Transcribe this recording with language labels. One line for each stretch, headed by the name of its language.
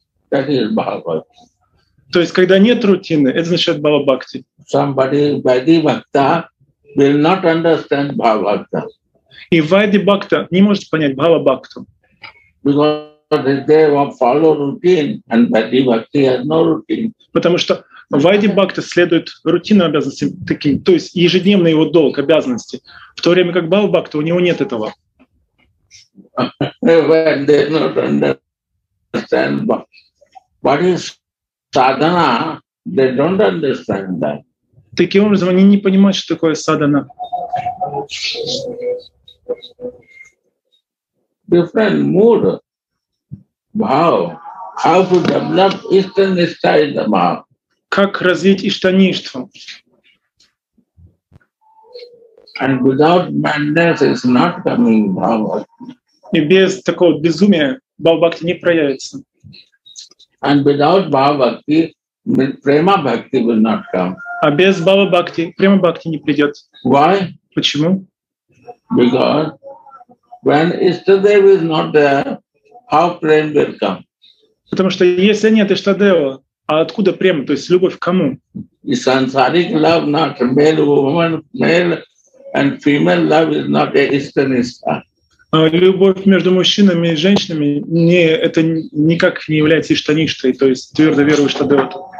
Russian: То есть, когда нет рутины, это значит Бхава Бхакти.
English: Somebody Vaidhi Bhakta will not understand Bhava Bhakta.
Russian: И Vaidhi Bhakta не может понять Бхава Бхакту.
English: Because they follow routine and Vaidhi Bhakti has no routine.
Russian: Потому что Вайди Бхакта следует рутинным обязанностям, таким, то есть ежедневный его долг, обязанности, в то время как Бхава Бхакта, у него нет этого.
English: When they not understand what is sadhana, they don't understand that.
Russian: Таким образом, они не понимают, что такое садхана.
English: Different mood. Bhav. How to develop Eastern Nishtha in the Bhav.
Russian: Как развить иштаништву?
English: And without madness is not coming bhava.
Russian: И без такого безумия Бхава Бхакти не проявится.
English: And without Bhava Bhakti, Prema Bhakti will not come.
Russian: А без Бхава Бхакти Prema Bhakti не придет.
English: Why?
Russian: Почему?
English: Because when Ishtadev is not there, how Prema will come?
Russian: Потому что если нет Ishtadeva, а откуда према, то есть любовь к кому?
English: И сансарик love not male woman, male and female love is not a Ishta-nishtha.
Russian: Любовь между мужчинами и женщинами не, это никак не является иштаништой, то есть твердо веруешь, что дает.